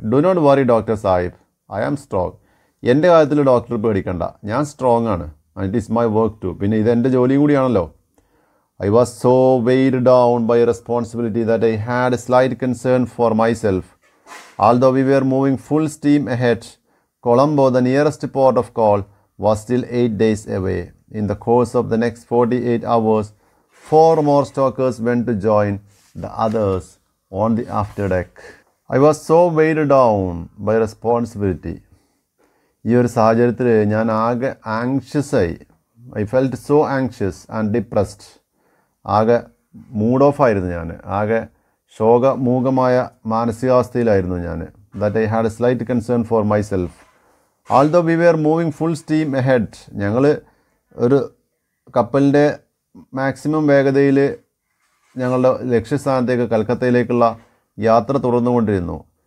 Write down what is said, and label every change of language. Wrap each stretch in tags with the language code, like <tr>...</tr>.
<en>Do not worry doctor സാഹിബ്, I am strong.</en> <ml>എൻ്റെ കാര്യത്തിൽ doctor പേടിക്കണ്ട, ഞാൻ സ്ട്രോങ് ആണ്.</ml> <en>It is my work too.</en> <ml>പിന്നെ ഇതെൻ്റെ ജോലിയും കൂടിയാണല്ലോ.</ml> <en>I was so weighed down by responsibility that I had a slight concern for myself. Although we were moving full steam ahead, Colombo, the nearest port of call, was still 8 days away. In the course of the next 48 hours, 4 more stalkers went to join the others on the after deck. I was so weighed down by responsibility.</en> <ml>ഈ ഒരു സാഹചര്യത്തിൽ ഞാൻ ആകെ ആങ്ഷ്യസായി.</ml> <en>I felt so anxious and depressed.</en> <ml>ആകെ mood off ആയിരുന്നു ഞാൻ. ആകെ ശോകമൂകമായ മാനസികാവസ്ഥയിലായിരുന്നു ഞാൻ.</ml> <en>That I had a slight concern for myself. Although we were moving full steam ahead,</en> <ml>ഞങ്ങൾ ഒരു കപ്പലിൻ്റെ മാക്സിമം വേഗതയിൽ ഞങ്ങളുടെ ലക്ഷ്യസ്ഥാനത്തേക്ക് കൽക്കത്തയിലേക്കുള്ള യാത്ര തുടർന്നുകൊണ്ടിരുന്നു.</ml>